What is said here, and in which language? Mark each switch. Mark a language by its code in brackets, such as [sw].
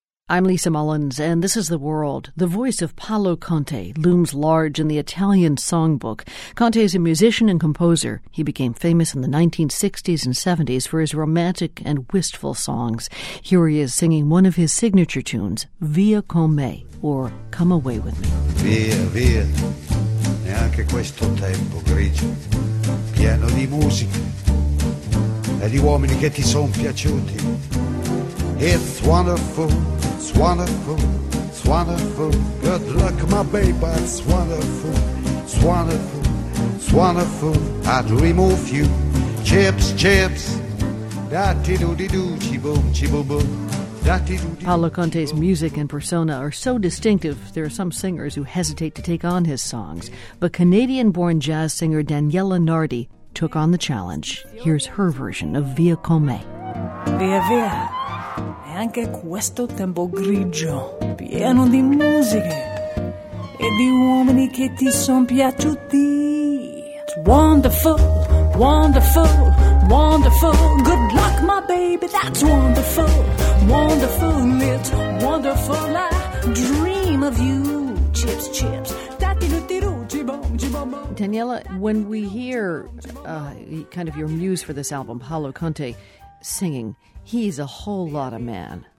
[en] I'm Lisa Mullins, and this is The World. The voice of Paolo Conte looms large in the Italian songbook. Conte is a musician and composer. He became famous in the 1960s and 70s for his romantic and wistful songs. Here he is singing one of his signature tunes, Via con me, or Come Away with Me. [it] Via, via, neanche questo tempo grigio, pieno di musica e di uomini che ti son piaciuti. [en] It's wonderful. It's wonderful, it's wonderful. Good luck, my baby. It's wonderful, it's wonderful, it's wonderful. I dream of you. Chips, chips. Da-dee-doo-dee-doo, chee-boom, chee-boom-boom. Paolo Conte's music and persona are so distinctive, there are some singers who hesitate to take on his songs. But Canadian-born jazz singer Daniela Nardi took on the challenge. Here's her version of Via Come. [it] Via, via, e anche questo tempo grigio, pieno di musiche e di uomini che ti son piaciuti. [en] It's wonderful, wonderful, wonderful. Good luck, my baby, that's wonderful. Wonderful, it's wonderful. I dream of you. Chips, chips. Daniela, when we hear kind of your muse for this album, Paolo Conte, singing, he's a whole lot of man.